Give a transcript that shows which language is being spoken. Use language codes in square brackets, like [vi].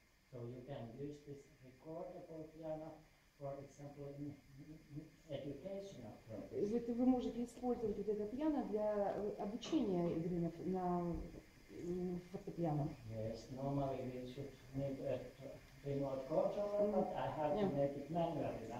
[en] So you can use this recordable piano, for example, in educational purposes. [ru] Вы можете использовать вот это пиано для обучения игры на фортепиано. [en] Yes, normally we should need a remote controller, but I have to make it manually now.